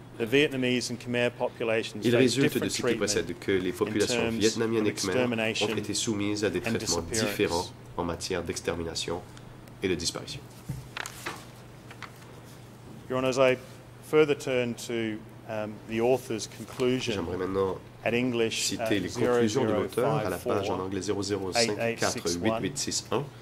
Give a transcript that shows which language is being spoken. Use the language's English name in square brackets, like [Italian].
[French] Il résulte de ce qui précède que les populations vietnamiennes et khmer ont été soumises à des traitements différents en matière d'extermination et de disparition. [English] Your Honor, as I further turn to the author's conclusion, [French] j'aimerais maintenant citer les conclusions de l'auteur à la page en anglais 0054-8861,